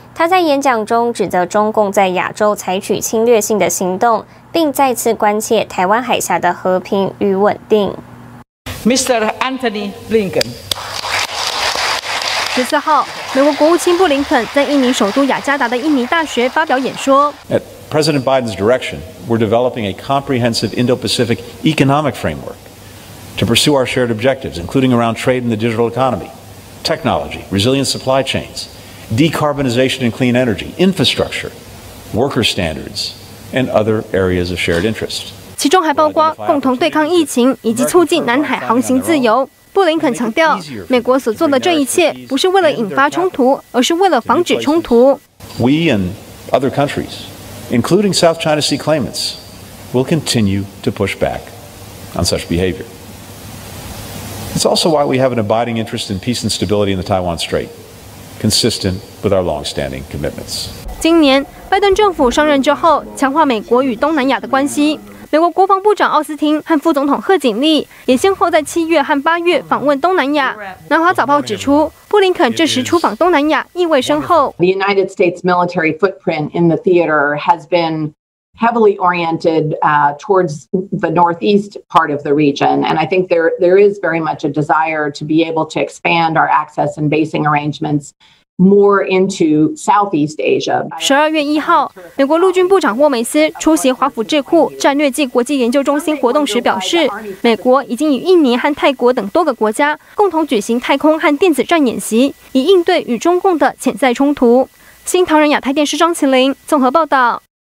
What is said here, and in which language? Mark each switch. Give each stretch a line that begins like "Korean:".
Chinese: 他在演讲中指责中共在亚洲采取侵略性的行动，并再次关切台湾海峡的和平与稳定。
English: Mr. Anthony Blinken，
Chinese: 14号，美国国务卿布林肯在印尼首都雅加达的印尼大学发表演说。
English: At President Biden's direction, we're developing a comprehensive Indo-Pacific economic framework to pursue our shared objectives, including around trade and the digital economy, technology, resilient supply chains, decarbonization and clean energy, infrastructure, worker standards, and other areas of shared interest.
Chinese: 其中还包括共同对抗疫情以及促进南海航行自由。布林肯强调，美国所做的这一切不是为了引发冲突，而是为了防止冲突。
English: We and other countries, including South China Sea claimants, will continue to push back on such behavior. It's also why we have an abiding interest in peace and stability in the Taiwan Strait, consistent with our long-standing commitments.
Chinese: 今年，拜登政府上任之后，强化美国与东南亚的关系。美国国防部长奥斯汀和副总统贺锦丽也先后在七月和八月访问东南亚。南华早报指出，布林肯这时出访东南亚意味深厚。
English: The United States military footprint in the theater has been heavily oriented towards the northeast part of the region, and I think there is very much a desire to be able to expand our access and basing arrangements. More into Southeast Asia.
Chinese: 12月1号，美国陆军部长沃梅斯出席华府智库战略暨国际研究中心活动时表示，美国已经与印尼和泰国等多个国家共同举行太空和电子战演习，以应对与中共的潜在冲突。新唐人亚太电视张麒麟综合报道。